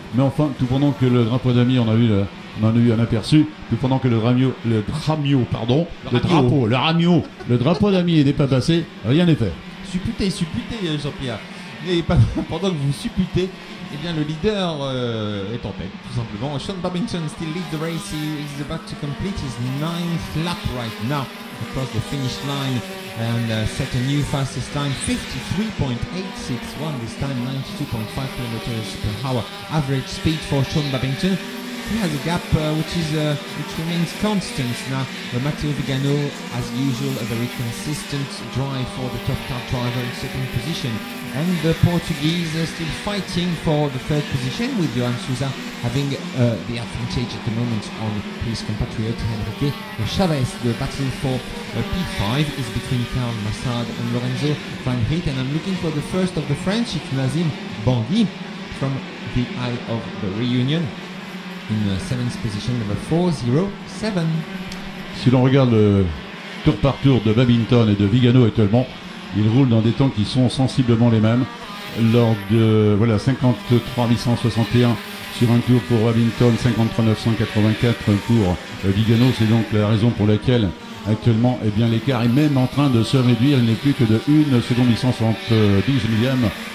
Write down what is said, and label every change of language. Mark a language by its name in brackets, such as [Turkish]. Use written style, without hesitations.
[French] Mais enfin, tout pendant que le drapeau d'ami, le drapeau d'ami n'est pas passé, rien n'est fait. Supputez Jean-Pierre. Et pendant que vous supputez, eh bien, le leader est en tête, tout simplement. [English] Sean Babington still leads the race. He is about to complete his ninth lap right now across the finish line and set a new fastest time, 53.861, this time 92.5 kilometers per hour average speed for Sean Babington. He has a gap which remains constant now. Matteo Vigano, as usual, a very consistent drive for the top car driver in second position, and the Portuguese are still fighting for the third position, with Joan Souza having the advantage at the moment on his compatriot Henrique Chaves. The battle for P5 is between Karl Massard and Lorenzo Van Riet, and I'm looking for the first of the French. It's Nazim Bangui from the Isle of the Réunion in 7th position, number 407. [French] Si l'on regarde le tour par tour de Babington et de Vigano actuellement, ils roulent dans des temps qui sont sensiblement les mêmes. Lors de 53.861 sur un tour pour Babington, 53.984 pour Vigano. C'est donc la raison pour laquelle actuellement, eh bien, l'écart est même en train de se réduire. Il n'est plus que de 1.872 millième.